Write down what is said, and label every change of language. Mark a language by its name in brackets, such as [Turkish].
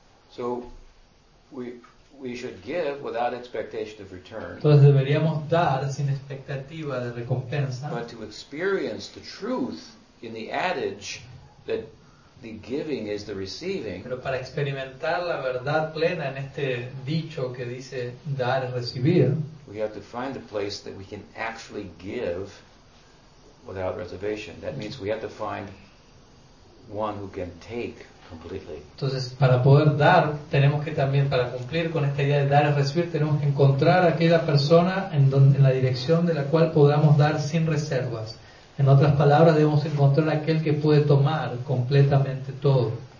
[English] So, we should give without expectation of return. [Spanish] Entonces deberíamos dar sin expectativa de recompensa. [English] But to experience the truth in the adage that the giving is the receiving. [Spanish] Pero para experimentar la verdad plena en este dicho que dice dar es recibir. [English] We have to find a place that we can actually give without reservation. That means we have to find one who can take. [Spanish] Entonces, para poder dar, tenemos que también, para cumplir con esta idea de dar y recibir, tenemos que encontrar a aquella persona en la dirección de la cual podamos dar sin reservas. En otras palabras, debemos encontrar a aquel que puede tomar completamente todo.